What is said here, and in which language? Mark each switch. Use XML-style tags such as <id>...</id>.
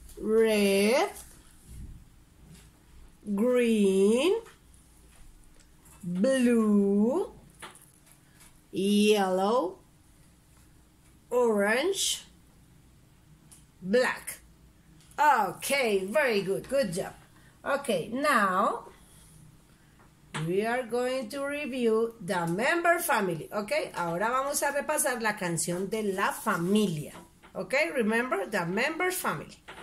<en>Red, green, blue, yellow, orange, black. Okay, very good. Good job. Okay, now we are going to review the member family.</en> <es>Okay, ahora vamos a repasar la canción de la familia.</es> <en>Okay, remember the member family.</en>